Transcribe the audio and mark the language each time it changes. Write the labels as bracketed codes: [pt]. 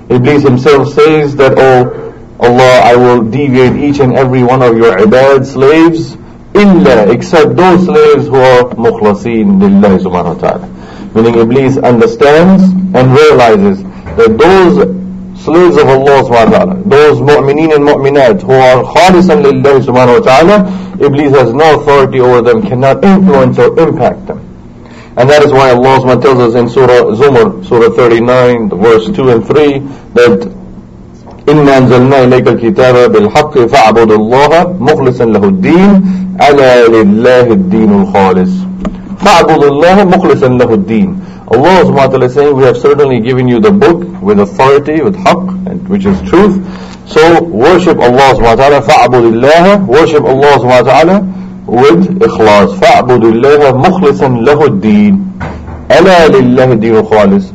[en] Iblis himself says that, O Allah, I will deviate each and every one of your ibad slaves, [ar] إِلَّا, [en] except those slaves who are [ar] مُخْلَسِين لِلَّهِ سُبْحَانَهُ وَتَعَالَى. [en] Meaning Iblis understands and realizes that those slaves of Allah subhanahu wa ta'ala, those mu'mineen and mu'minat who are khalisan lillahi subhanahu wa ta'ala, Iblis has no authority over them, cannot influence or impact them. And that is why Allah subhanahu wa ta'ala tells us in Surah Zumar, Surah 39, verse 2 and 3, that [ar] إِنَّا أَنزَلْنَا إِلَيْكَ الْكِتَابَ بِالْحَقِّ فَاعْبُدُ اللَّهَ مُخْلِصًا لَهُ الدِّينَ [en] عَلَى لِلَّهِ الدِّينُ الْخَالِصِ فَاعْبُدُ اللَّهَ مُخْلِصًا لَهُ الدِّينَ. Allah subhanahu wa ta'ala is saying, we have certainly given you the book with authority, with haqq, which is truth. So worship Allah subhanahu wa ta'ala, [ar] فَاعْبُدِ اللَّهَ, [en] worship Allah subhanahu wa ta'ala with ikhlas. [ar] فَاعْبُدِ اللَّهَ مُخْلِصًا لَهُ الدِّينَ أَلَا لِلَّهِ الدِّينُ خَالِصِ.